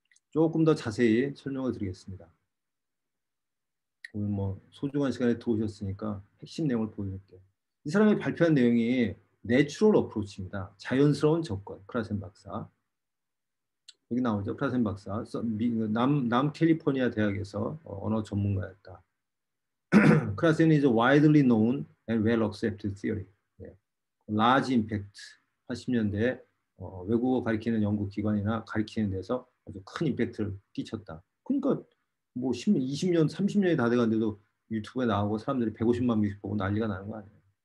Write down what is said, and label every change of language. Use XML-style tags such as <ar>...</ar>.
<ko>조금 더 자세히 설명을 드리겠습니다. 오늘 뭐 소중한 시간에 들어오셨으니까 핵심 내용을 보여드릴게요. 이 사람이 발표한 내용이 Natural Approach입니다. 자연스러운 접근, 크라센 박사. 여기 나오죠, 크라센 박사. 남 캘리포니아 대학에서 언어 전문가였다.</ko> <en>Krasen is a widely known and well-accepted theory.</en> <ko>네.</ko> <en>Large impact,</en> <ko>80년대 외국어 가리키는 연구기관이나 가리키는 데서 아주 큰 임팩트를 끼쳤다. 그러니까 뭐 20년, 30년이 다 돼가는데도 유튜브에 나오고 사람들이 150만 뷰 보고 난리가 나는 거 아니에요.</ko>